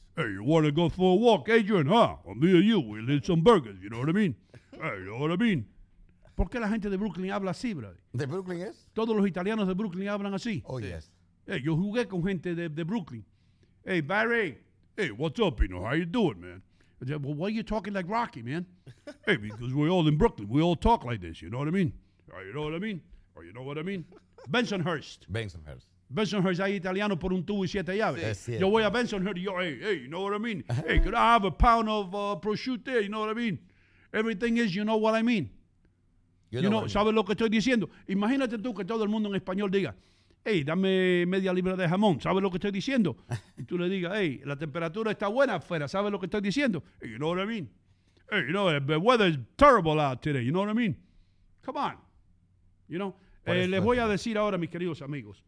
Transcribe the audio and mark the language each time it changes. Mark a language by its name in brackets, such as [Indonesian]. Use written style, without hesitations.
[English] Hey, you want to go for a walk, Adrian, huh? Well, me and you, we need some burgers, you know what I mean? Hey, you know what I mean? [Spanish] ¿Por qué la gente de Brooklyn habla así, brother? ¿De Brooklyn es? Todos los italianos de Brooklyn hablan así. [English] Oh, yes. [Spanish] Hey, yo jugué con gente de Brooklyn. Hey, Barry. [English] Hey, what's up, you know? How you doing, man? Well, why are you talking like Rocky, man? Hey, because we're all in Brooklyn. We all talk like this, you know what I mean? You know what I mean? Or you know what I mean? Bensonhurst. [Spanish] Bensonhurst, hay italiano por un tubo y siete llaves. Sí. Yo voy a Bensonhurst, yo, [English] hey, you know what I mean? Hey, could I have a pound of prosciutto there? You know what I mean? Everything is, you know what I mean? You know, [Spanish] ¿sabes lo que estoy diciendo? Imagínate tú que todo el mundo en español diga, hey, dame media libra de jamón, ¿sabes lo que estoy diciendo? Y tú le digas, hey, la temperatura está buena afuera, ¿sabes lo que estoy diciendo? [English] Hey, you know what I mean? Hey, you know, the weather is terrible out today, you know what I mean? Come on, you know? [Spanish] Les voy a decir ahora, mis queridos amigos.